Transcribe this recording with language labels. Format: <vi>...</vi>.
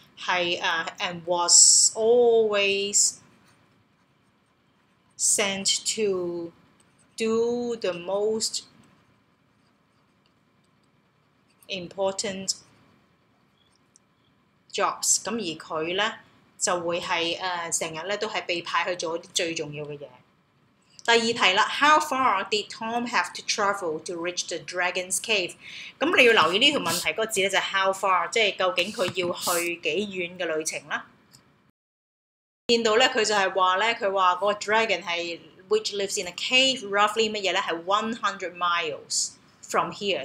<en>And was always sent to do the most important jobs.</en> <yue>咁而佢咧就會係成日咧都係被派去做啲最重要嘅嘢。第二題啦</yue> <en>，How far did Tom have to travel to reach the dragon's cave？</en> <yue>咁你要留意呢條問題嗰個字咧，就係</yue> <en>how far，</en> <yue>即係究竟佢要去幾遠嘅旅程啦。見到咧，佢就係話咧，佢話嗰個 dragon 係</yue> <en>which lives in a cave roughly</en> <yue>乜嘢咧，係</yue> <en>100 miles from here。</en>